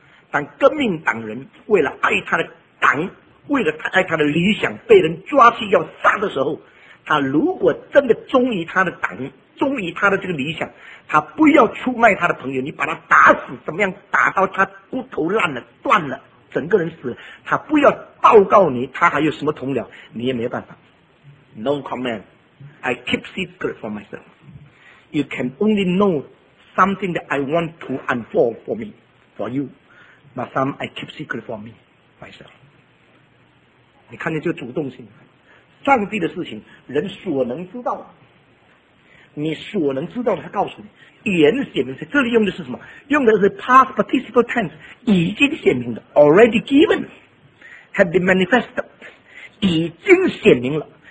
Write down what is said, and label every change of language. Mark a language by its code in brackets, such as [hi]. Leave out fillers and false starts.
[zh] 但革命党人为了爱他的党，为了爱他的理想，被人抓去要杀的时候，他如果真的忠于他的党，忠于他的这个理想，他不要出卖他的朋友，你把他打死，怎么样打到他骨头烂了断了整个人死了，他不要报告你他还有什么同僚，你也没有办法。 [en] No comment, I keep secret for myself. You can only know something that I want to unfold for me, for you, but some I keep secret for me, myself. [zh] 你看见这个主动性，上帝的事情人所能知道，你所能知道的，他告诉你，言显明，这里用的是什么？用的是 [en] past participle tense， [zh] 已经显明的 ， [en] already given， have been manifested， [zh] 已经显明了。